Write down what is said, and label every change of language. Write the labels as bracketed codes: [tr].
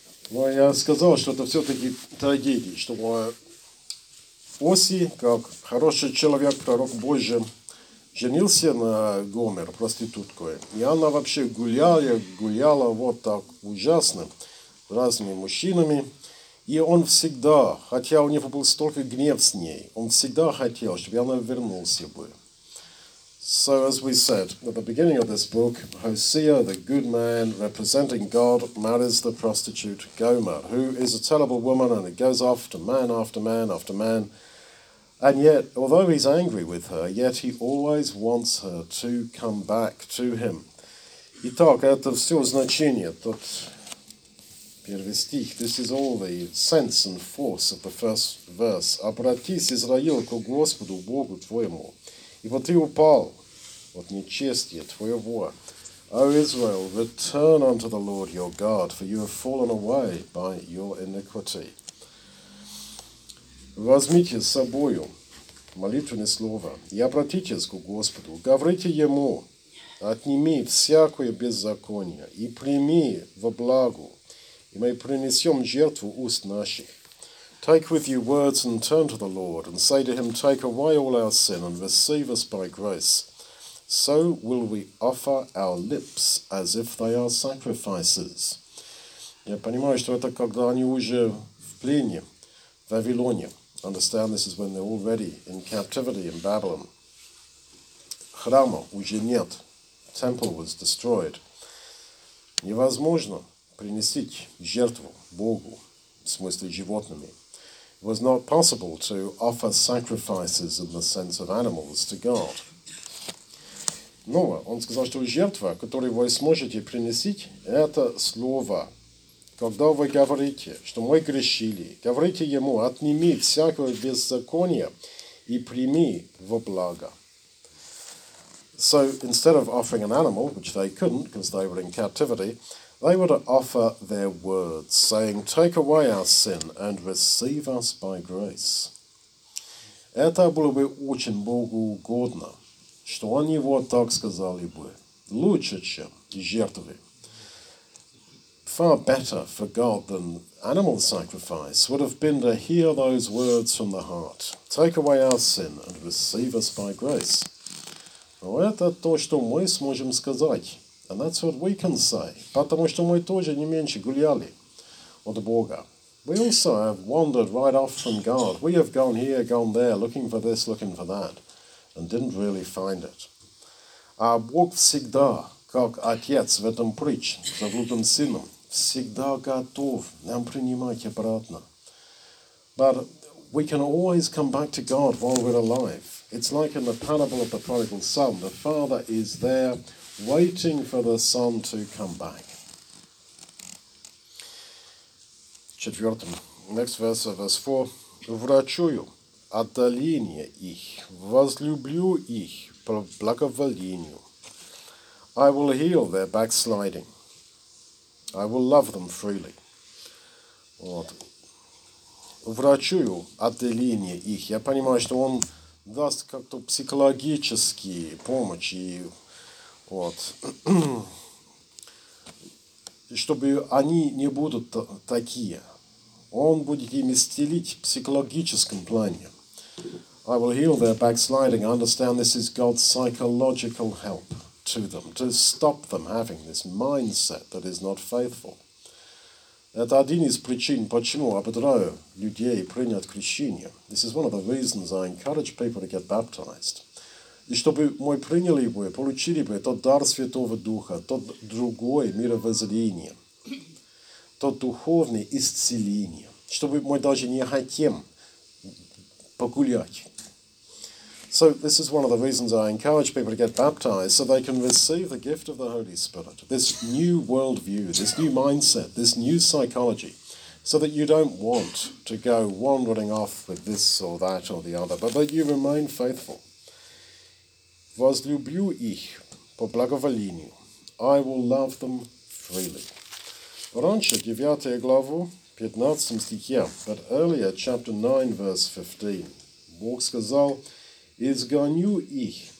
[ru] Но я сказал, что это все-таки трагедия, что Оси, как хороший человек, пророк Божий, женился на Гомер, проституткой. И она вообще гуляла вот так ужасно, разными мужчинами. И он всегда, хотя у него был столько гнев с ней, он всегда хотел, чтобы она вернулась бы. [en] So as we said at the beginning of this book, Hosea, the good man representing God, marries the prostitute Gomer, who is a terrible woman, and it goes off to man after man after man. And yet, although he's angry with her, yet he always wants her to come back to him. [ru] Итак, это все значение, тот первый стих. [en] This is all the sense and force of the first verse. [ru] Обратись, Израил, к Господу Богу твоему. Ибо ты упал от нечестия твоего. [en] O Israel, return unto the Lord your God, for you have fallen away by your iniquity. [ru] Возьмите с собою молитвенное слово и обратитесь к Господу. Говорите Ему, отними всякое беззаконие и прими во благо, и мы принесем жертву уст наших. [en] Take with you words and turn to the Lord, and say to him, take away all our sin and receive us by grace. So will we offer our lips as if they are sacrifices. [ru] Я понимаю, что это когда они уже в плене, в Вавилоне. [en] Understand, this is when they're already in captivity in Babylon. [ru] Храма уже нет. [en] Temple was destroyed. [ru] Невозможно принести жертву Богу, в смысле животными. [en] It was not possible to offer sacrifices in the sense of animals to God. [ru] Но он сказал, что жертва, которую вы сможете принести, это слово. Когда вы говорите, что мы грешили, говорите ему, отними всякое беззаконие и прими во благо. [en] So instead of offering an animal, which they couldn't because they were in captivity, they were to offer their words, saying, take away our sin and receive us by grace. [ru] Это было бы очень Богу угодно, что они вот так сказали бы, лучше, чем жертвы. [en] Far better for God than animal sacrifice would have been to hear those words from the heart. Take away our sin and receive us by grace. [ru] Но это то, что мы сможем сказать. [en] And that's what we can say. [ru] Потому что мы тоже не меньше гуляли от Бога. [en] We also have wandered right off from God. We have gone here, gone there, looking for this, looking for that, and didn't really find it. [ru] А Бог всегда, как отец в этом притч, заблудным сыном, всегда готов нам принимать обратно. [en] But we can always come back to God while we're alive. It's like in the parable of the prodigal son. The father is there, waiting for the son to come back. [ru] Четвертым. [en] Next verse, verse 4. [ru] Врачую отдаление их, возлюблю их по благоволению. [en] I will heal their backsliding. I will love them freely. Вот. [ru] Врачую отдаление их. Я понимаю, что он даст как-то психологические помощи. Вот. Чтобы они не будут такие. Он будет им исцелить в психологическом плане. [en] I will heal their backsliding. I understand this is God's psychological help to them, to stop them having this mindset that is not faithful. [ru] Это один из причин, почему ободряю людей принять крещение. [en] This is one of the reasons I encourage people to get baptized. [ru] И чтобы мы приняли бы, получили бы тот дар Святого Духа, тот другое мировоззрение, тот духовное исцеление, чтобы мы даже не хотим погулять. [en] So this is one of the reasons I encourage people to get baptized, so they can receive the gift of the Holy Spirit, this new worldview, this new mindset, this new psychology, so that you don't want to go wandering off with this or that or the other, but that you remain faithful. [ru] Возлюблю их по благоволению. [en] I will love them freely. [ru] Раньше, 9 главу, 15 стихе, [en] but earlier, chapter 9, verse 15, [ru] Бог сказал, изгоню их